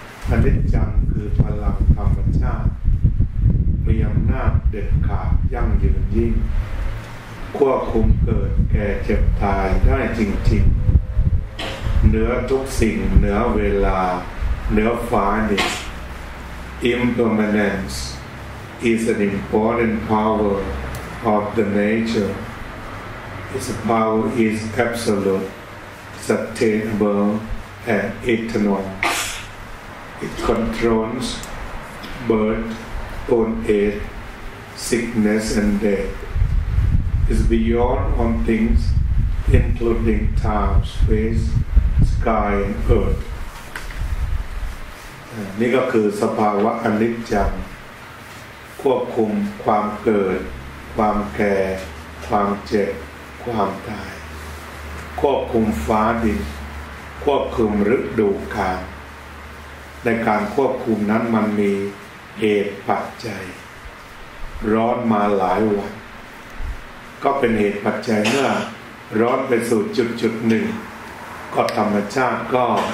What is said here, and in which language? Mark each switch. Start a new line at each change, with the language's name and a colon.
Thai: อนิจจังคือพลังธรรมชาติมีอำนาจเด็ดขาดยั่งยืนยิ่งควบคุมเกิดแก่เจ็บตายได้จริงๆเหนือทุกสิ่งเหนือเวลาเหนือฟ้าดิน
English: Impermanence is an important power of the nature Its power is absoluteSustainable and eternal. It controls birth, old age, sickness, and death. It's beyond all things, including time, space, sky, and earth.
Thai: นี่ก็คือสภาวะอนิจจังควบคุมความเกิดความแก่ความเจ็บความตายควบคุมฟ้าดินควบคุมฤดูกาลในการควบคุมนั้นมันมีเหตุปัจจัยร้อนมาหลายวันก็เป็นเหตุปัจจัยเมื่อร้อนไปสู่จุดหนึ่งก็ธรรมชาติก็